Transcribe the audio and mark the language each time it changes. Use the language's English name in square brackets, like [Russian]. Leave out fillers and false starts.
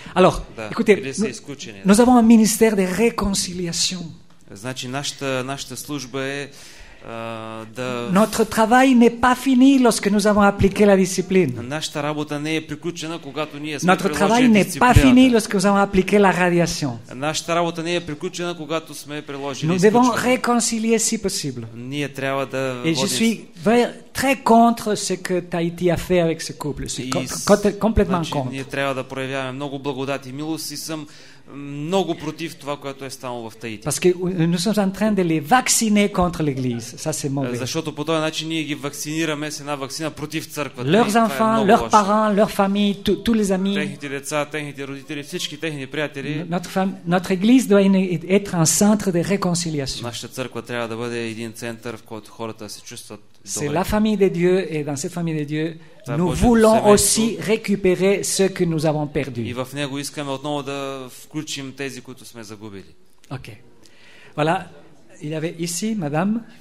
[French] Alors, écoutez, nous avons un ministère de réconciliation. [Bulgarian] Значи нашата служба е да. [French] Notre travail n'est pas fini lorsque nous avons appliqué la discipline. [Bulgarian] Нашата работа не е приключена, когато ние сме приложили дисциплината. [French] Notre travail n'est pas fini lorsque nous avons appliqué la radiation. [Bulgarian] Нашата работа не е приключена, когато сме приложили дисциплината. [French] Nous devons réconcilier si possible. [Bulgarian] Ние трябва да. [French] Et je suis très contre ce que Tahiti a fait avec ce couple. Complètement contre. [Bulgarian] Ние трябва да проявяваме много благодат и милост и съм много против това, което е станало в Таити. [French] Parce que nous sommes en train de les vacciner contre l'église. Ça c'est mauvais. [Bulgarian] Защото по този начин ние ги вакцинираме с една ваксина против църквата. [French] Leurs enfants, leurs parents, leur famille, tous les amis. [Bulgarian] Техните деца, техните родители, всички техни приятели. [French] Notre église doit être un centre de réconciliation. [Bulgarian] Нашата църква трябва да бъде един център, в който хората се чувстват добре. [French] C'est la famille de Dieu et dans cette famille de Dieu nous voulons aussi récupérer ce que nous avons perdu. [Bulgarian] И в него искаме отново да включим тези, които сме загубили. [French] OK. Voilà, il y avait ici madame.